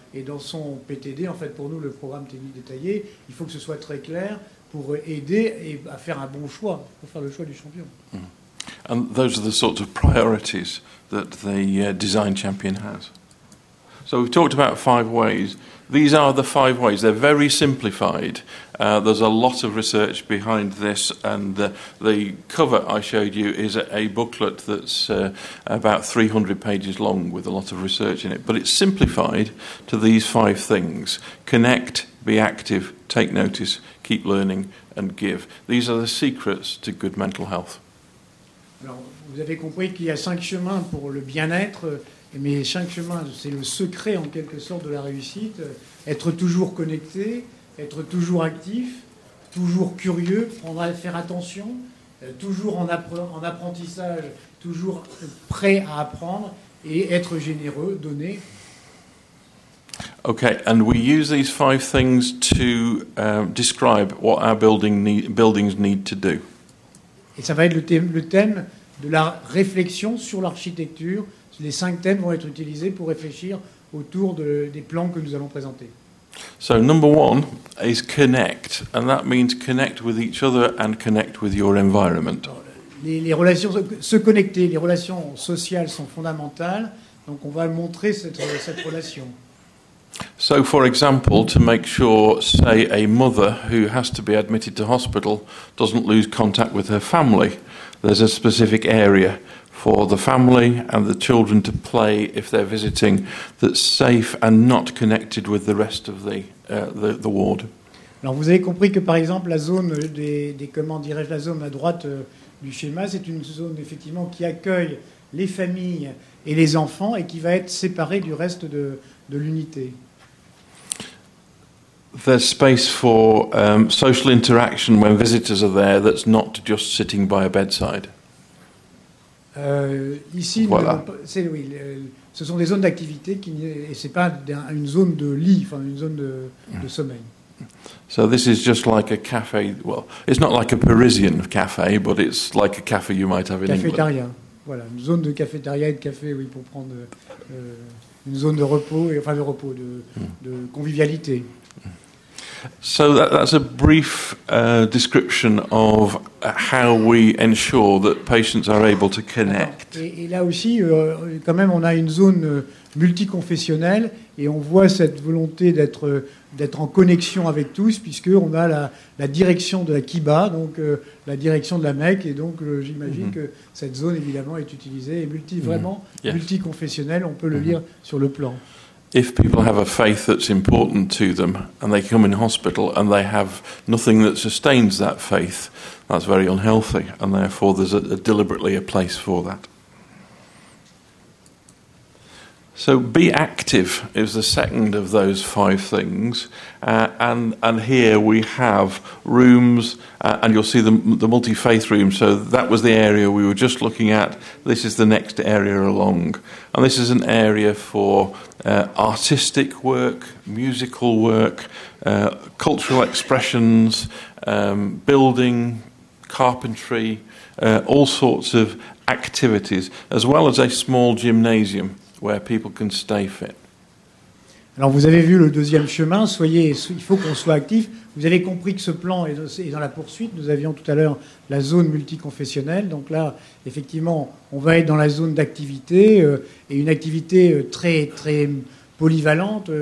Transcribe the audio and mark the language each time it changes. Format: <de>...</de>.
<fr>Et dans son PTD, en fait, pour nous, le programme technique détaillé, il faut que ce soit très clair, pour aider et à faire un bon choix, pour faire le choix du champion.</fr> <en>And those are the sorts of priorities that the design champion has. So we've talked about five ways. These are the five ways. They're very simplified. There's a lot of research behind this, and the cover I showed you is a booklet that's about 300 pages long with a lot of research in it. But it's simplified to these five things: connect, be active, take notice, keep learning, and give. These are the secrets to good mental health.</en> <fr>Alors, vous avez compris qu'il y a cinq chemins pour le bien-être, mais cinq chemins, c'est le secret en quelque sorte de la réussite. Être toujours connecté, être toujours actif, toujours curieux, faire attention, toujours en apprentissage, toujours prêt à apprendre, et être généreux, donner.</fr> <en>Okay, and we use these five things to describe what our buildings need to do.</en> <fr>Et ça va être le thème de la réflexion sur l'architecture. Les cinq thèmes vont être utilisés pour réfléchir autour des plans que nous allons présenter.</fr> <en>So number one is connect, and that means connect with each other and connect with your environment.</en> <fr>Les relations, se connecter, les relations sociales sont fondamentales, donc on va montrer cette relation.</fr> <en>So for example, to make sure, say, a mother who has to be admitted to hospital doesn't lose contact with her family, there's a specific area for the family and the children to play if they're visiting that's safe and not connected with the rest of the ward.</en> <fr>Alors vous avez compris que par exemple la zone des comment dirais-je la zone à droite du schéma, c'est une zone effectivement qui accueille les familles et les enfants et qui va être séparée du reste de l'unité.</fr> <en>There's space for social interaction when visitors are there that's not just sitting by a bedside.</en> <fr>Ici, voilà. Ce sont des zones d'activité qui, et c'est pas une zone de lit, enfin une zone de sommeil.</fr> <en>So this is just like a cafe. Well, it's not like a Parisian cafe, but it's like a cafe you might have in</en> <fr>cafétéria.</fr> <en>England.</en> <fr>Cafétéria, voilà, une zone de cafétéria et de café, oui, pour prendre une zone de repos et enfin de repos de convivialité.</fr> <en>So that's a brief description of how we ensure that patients are able to connect.</en> <fr>Et là aussi, quand même, on a une zone multiconfessionnelle et on voit cette volonté d'être en connexion avec tous, puisqu'on a la direction de la Kiba, donc la direction de la Mecque, et donc j'imagine que cette zone, évidemment, est utilisée et multiconfessionnelle, on peut le lire sur le plan.</fr> <en>If people have a faith that's important to them and they come in hospital and they have nothing that sustains that faith, that's very unhealthy, and therefore there's deliberately a place for that. So be active is the second of those five things, and here we have rooms, and you'll see the multi-faith room. So that was the area we were just looking at. This is the next area along, and this is an area for artistic work, musical work, cultural expressions, building, carpentry, all sorts of activities, as well as a small gymnasium where people can stay fit.</en> <fr>Alors vous avez vu le deuxième chemin, il faut qu'on soit actif. Vous avez compris que ce plan est dans la poursuite. Nous avions tout à l'heure la zone multiconfessionnelle. Donc là, effectivement, on va être dans la zone d'activité, et une activité très, très polyvalente.</fr>